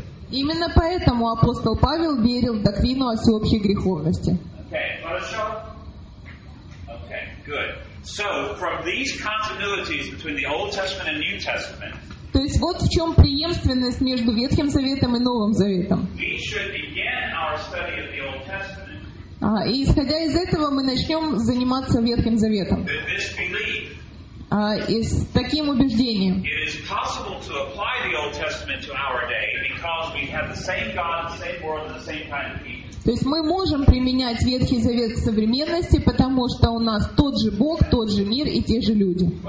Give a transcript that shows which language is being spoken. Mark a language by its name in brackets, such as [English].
[Russian] Именно поэтому апостол Павел верил в доктрину о всеобщей греховности. [English] Okay, good. So from these continuities between the Old Testament and New Testament. [Russian] То есть вот в чем преемственность между Ветхим Заветом и Новым Заветом. [English] We should begin our study of the Old Testament. [Russian] И исходя из этого мы начнем заниматься Ветхим Заветом. [English] This belief. [Russian] И с таким убеждением. [English] It is possible to apply the Old Testament to our day because we have the same God, the same world, and the same kind of people. [Russian] То есть мы можем применять Ветхий Завет к современности, потому что у нас тот же Бог, тот же мир и те же люди.